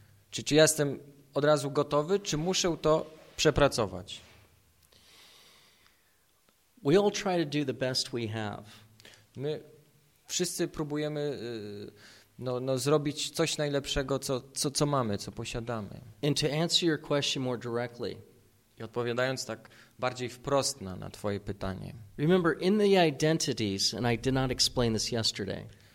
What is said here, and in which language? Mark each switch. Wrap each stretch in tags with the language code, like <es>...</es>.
<pl>Czy ja jestem od razu gotowy, czy muszę to przepracować?</pl> <en>We all try to do the best we have.</en> <pl>My wszyscy próbujemy zrobić coś najlepszego, co mamy, co posiadamy.</pl> <en>And to answer your question more directly.</en> <pl>I odpowiadając tak bardziej wprost na twoje pytanie.</pl> <en>Remember, in the identities, and I did not explain this yesterday.</en>